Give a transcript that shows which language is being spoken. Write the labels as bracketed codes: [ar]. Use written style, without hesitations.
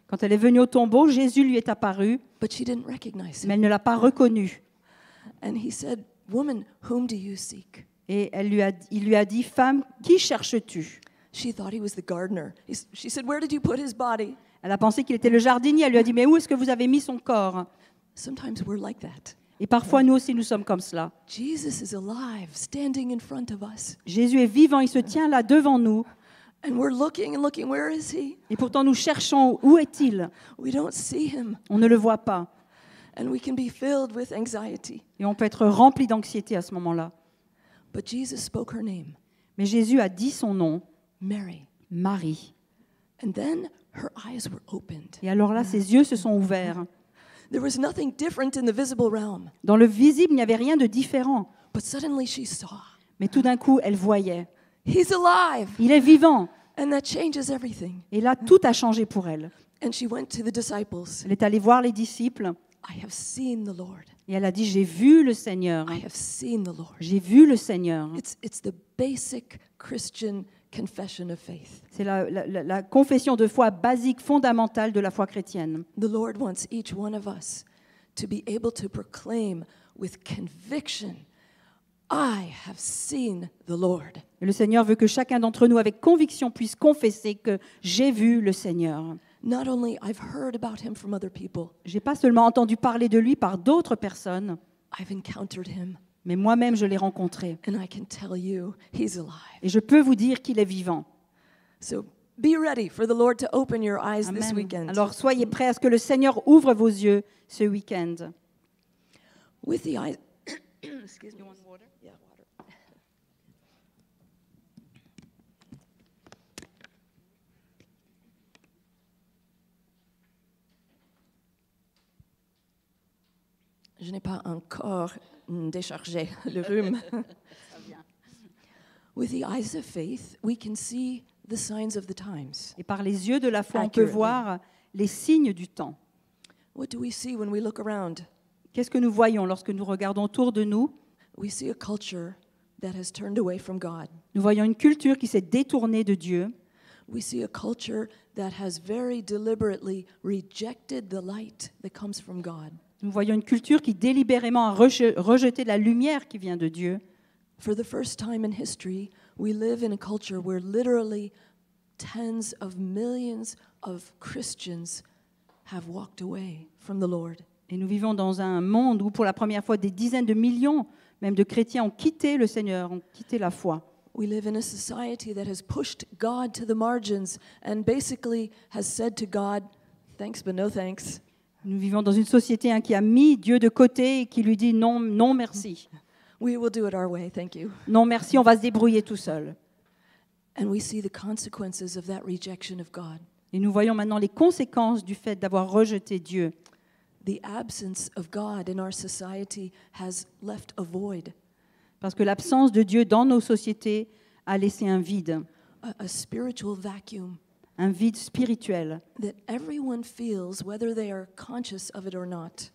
[fr] Quand elle est venue au tombeau, Jésus lui est apparu. [en] But she didn't recognize him. [fr] Mais elle ne l'a pas reconnu. [en] And he said, "Woman, whom do you seek?" [fr] Et elle lui a, il lui a dit, femme, qui cherches-tu? [en] She thought he was the gardener. She said, "Where did you put his body?" [fr] Elle a pensé qu'il était le jardinier. Elle lui a dit, mais où est-ce que vous avez mis son corps? [en] Sometimes we're like that. [fr] Et parfois nous aussi nous sommes comme cela. [en] Jesus is alive, standing in front of us. [fr] Jésus est vivant. Il se tient là devant nous. [en] And we're looking and looking. Where is he? [fr] Et pourtant nous cherchons où est-il? [en] We don't see him. [fr] On ne le voit pas. [en] And we can be filled with anxiety. [fr] Et on peut être rempli d'anxiété à ce moment-là. [en] But Jesus spoke her name. [fr] Mais Jésus a dit son nom. [en] Mary. [fr] Marie. [en] And then her eyes were opened. [fr] Et alors là, ses yeux se sont ouverts. [en] There was nothing different in the visible realm. [fr] Dans le visible, il n'y avait rien de différent. [en] But suddenly she saw. [fr] Mais tout d'un coup, elle voyait. [en] He's alive. [fr] Il est vivant. [en] And that changes everything. [fr] Et là, tout a changé pour elle. [en] And she went to the disciples. [fr] Elle est allée voir les disciples. [en] I have seen the Lord. [fr] Et elle a dit, j'ai vu le Seigneur. [en] I have seen the Lord. [fr] J'ai vu le Seigneur. [en] It's the basic Christian confession of faith. [fr] C'est la confession de foi basique, fondamentale de la foi chrétienne. [en] The Lord wants each one of us to be able to proclaim with conviction, I have seen the Lord. [fr] Et le Seigneur veut que chacun d'entre nous, avec conviction, puisse confesser que j'ai vu le Seigneur. [en] Not only I've heard about him from other people. [fr] J'ai pas seulement entendu parler de lui par d'autres personnes. [en] I've encountered him. [fr] Mais moi-même je l'ai rencontré. [en] And I can tell you he's alive. [fr] Et je peux vous dire qu'il est vivant. [en] So be ready for the Lord to open your eyes. Amen. This weekend. [fr] Alors soyez prêts à ce que le Seigneur ouvre vos yeux ce week-end. [en] With the eyes. Excuse me. You want water? Yeah, water. [fr] Je n'ai pas encore déchargé le rhume. [en] With the eyes of faith, we can see the signs of the times. [fr] Et par les yeux de la foi, on peut voir les signes du temps. [en] What do we see when we look around? [fr] Qu'est-ce que nous voyons lorsque nous regardons autour de nous? [en] We see a culture that has turned away from God. [fr] Nous voyons une culture qui s'est détournée de Dieu. [en] We see a culture that has very deliberately rejected the light that comes from God. [fr] Nous voyons une culture qui délibérément a rejeté la lumière qui vient de Dieu. [en] For the first time in history, we live in a culture where literally tens of millions of Christians have walked away from the Lord. [fr] Et nous vivons dans un monde où pour la première fois des dizaines de millions même de chrétiens ont quitté le Seigneur, ont quitté la foi. [en] We live in a society that has pushed God to the margins and basically has said to God, thanks but no thanks. [fr] Nous vivons dans une société qui a mis Dieu de côté et qui lui dit non, non, merci. [en] We will do it our way, thank you. [fr] Non, merci, on va se débrouiller tout seul. [en] And we see the consequences of that rejection of God. [fr] Et nous voyons maintenant les conséquences du fait d'avoir rejeté Dieu. [en] The absence of God in our society has left a void. [fr] Parce que l'absence de Dieu dans nos sociétés a laissé un vide. [en] A spiritual vacuum. [fr] Un vide spirituel [en] that everyone feels, whether they are conscious of it or not.